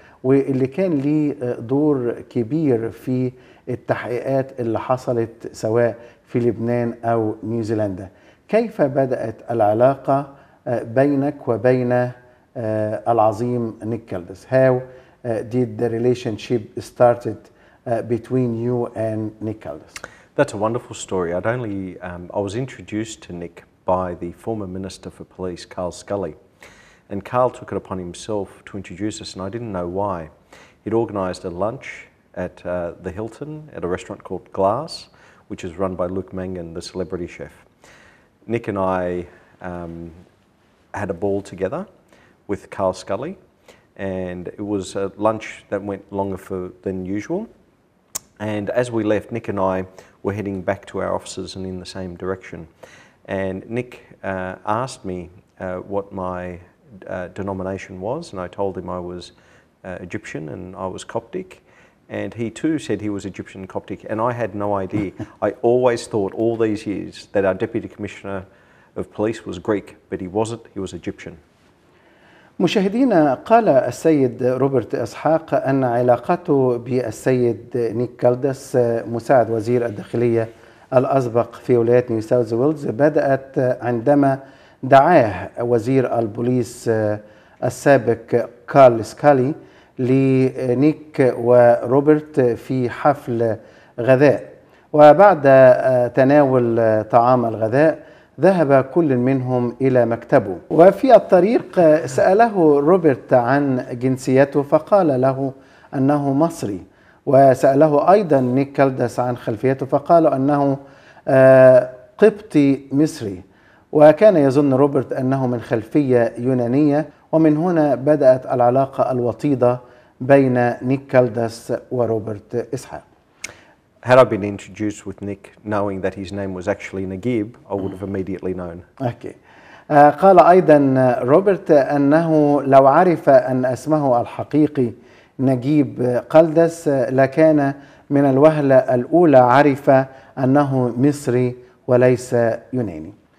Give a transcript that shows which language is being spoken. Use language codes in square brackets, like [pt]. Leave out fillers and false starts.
[ar] واللي كان ليه دور كبير في التحقيقات اللي حصلت سواء في لبنان أو نيوزيلندا كيف بدأت العلاقة بينك وبين العظيم نيك كالدس [en] How did the relationship started between you and Nick Kaldas? That's a wonderful story. I'd only I was introduced to Nick by the former Minister for Police, Carl Scully, and Carl took it upon himself to introduce us, and I didn't know why. He'd organised a lunch at the Hilton at a restaurant called Glass, which is run by Luke Mangan, the celebrity chef. Nick and I had a ball together with Carl Scully, and it was a lunch that went longer than usual. And as we left, Nick and I were heading back to our offices and in the same direction. And Nick asked me what my denomination was, and I told him I was Egyptian and I was Coptic. And he too said he was Egyptian and Coptic, and I had no idea. I always thought all these years that our Deputy Commissioner of Police was Greek, but he wasn't, he was Egyptian. [ar] مشاهدينا قال السيد روبرت إسحاق أن علاقته بالسيد نيك كالدس مساعد وزير الداخلية الأسبق في ولاية نيو ساوث ويلز بدأت عندما دعاه وزير البوليس السابق كارل سكالي لنيك وروبرت في حفل غذاء وبعد تناول طعام الغذاء ذهب كل منهم إلى مكتبه وفي الطريق سأله روبرت عن جنسيته فقال له أنه مصري وسأله أيضا نيك كالدس عن خلفيته فقال أنه قبطي مصري وكان يظن روبرت أنه من خلفية يونانية ومن هنا بدأت العلاقة الوطيدة بين نيك كالدس وروبرت إسحاق [en] Had I been introduced with Nick, knowing that his name was actually Nagib, I would have immediately known. Okay. [ar] قال أيضا روبرت أنه لو عرف أن اسمه الحقيقي نجيب قلدس لكان من الوهلة الأولى عرف أنه مصري وليس يوناني.